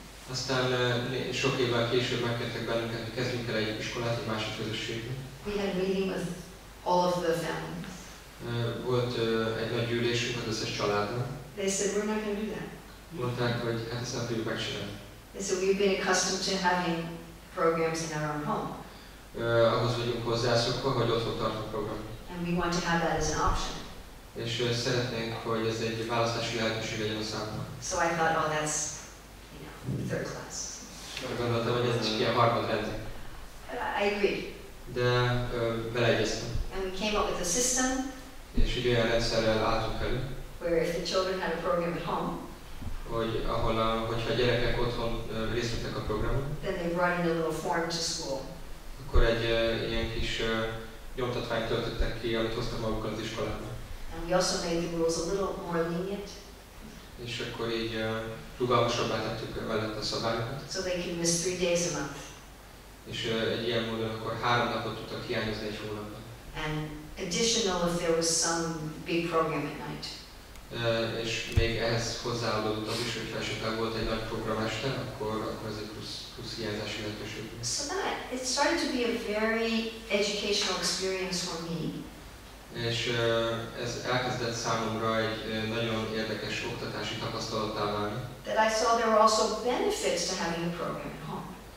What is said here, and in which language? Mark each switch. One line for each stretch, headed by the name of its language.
Hungarian: Aztán sok évvel később megkértek bennünket, hogy kezdjünk el egy iskolát egy másik közösségben.
English: We had a meeting with all of the families.
Hungarian: Volt egy nagy gyűlésünk az összes családban.
English: They said, we're not going to do that.
Hungarian: Mondták, hogy hát ezt nem tudjuk megcsinálni.
English: They said, we've been accustomed to having programs in our own home.
Hungarian: Ahhoz vagyunk hozzászokva, hogy otthon tartunk programot.
English: And we want to have that as an option.
Hungarian: És szeretnénk, hogy ez egy választási lehetőség legyen a számunkra.
English: So I thought, oh, that's, you know, third class.
Hungarian: Arra gondoltam, hogy ez csak ilyen harmadrendű.
English: But I agreed.
Hungarian: De beleegyeztem.
English: And we came up with a system.
Hungarian: És egy olyan rendszerrel álltunk elő.
English: Where if the children had a program at home.
Hungarian: Hogy ahol, hogyha a gyerekek otthon részt vettek a programon.
English: Then they brought in a little form to school.
Hungarian: Akkor egy ilyen kis nyomtatványt töltöttek ki, amit hoztam magukkal az iskolába.
English: And we also made the rules a little more lenient.
Hungarian: És akkor így rugalmasabbá tettük mellett a szabályokat.
English: So they can miss 3 days a month.
Hungarian: És egy ilyen módon akkor 3 napot tudtak hiányozni egy hónapban.
English: And additional if there was some big program at night.
Hungarian: És még ehhez hozzáadódott az is, hogy felsőtel volt egy nagy program este, akkor ez egy plusz hiányzási lehetőség.
English: So that it started to be a very educational experience for me.
Hungarian: És ez elkezdett számomra egy nagyon érdekes oktatási tapasztalattá válni.
English: That I saw there were also benefits to having a program at home.